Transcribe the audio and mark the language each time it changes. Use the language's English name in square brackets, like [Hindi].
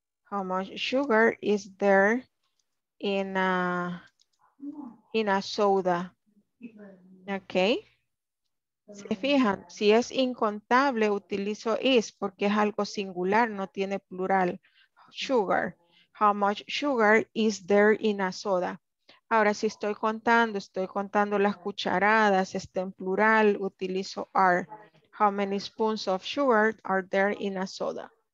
[English] How much sugar is there in a soda? Ok. [Spanish] Se fijan, si es incontable, utilizo is porque es algo singular, no tiene plural. Sugar. [English] How much sugar is there in a soda? [Spanish] Ahora, si estoy contando las cucharadas, está en plural, utilizo are. [English] How many spoons of sugar are there in a soda?